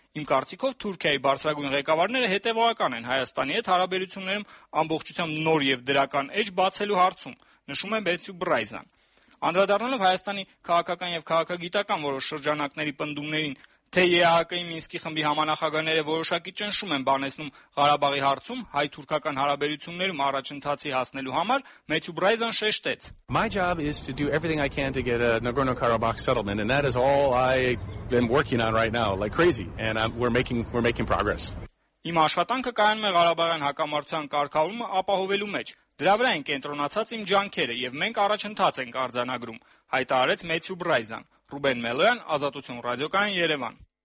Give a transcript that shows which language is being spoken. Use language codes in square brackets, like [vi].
[hy] Իմ կարծիքով Թուրքիայի բարձրագույն ղեկավարները հետևողական են Հայաստանի հետ հարաբերություններում ամբողջությամբ նոր եւ դրական էջ բացելու հարցում, նշում է Մեթյու Բրայզան։ Անդրադառնալով Հայաստանի քաղաքական եւ քաղաքագիտական որոշ շրջանակների պնդումներին, թե ԵԱՀԿ-ի Մինսկի խմբի համանախագահները որոշակի ճնշում են բանեսնում Ղարաբաղի հարցում հայ-թուրքական հարաբերություններում առաջընթացի հասնելու համար, Մեթյու Բրայզան շեշտեց. [en] My job is to do everything I can to get a Nagorno-Karabakh settlement and that is all I've been working on right now like crazy and we're making progress. [hy] Իմ աշխատանքը կայանում է Ղարաբաղյան հակամարտության կարգավորումը ապահովելու մեջ։ Դրա վրա են կենտրոնացած իմ ջանքերը եւ մենք առաջընթաց ենք արձանագրում, հայտարարեց Մեթյու Բրայզան։ Ռուբեն Մելոյան, Ազատություն ռադիոկայան, Երևան։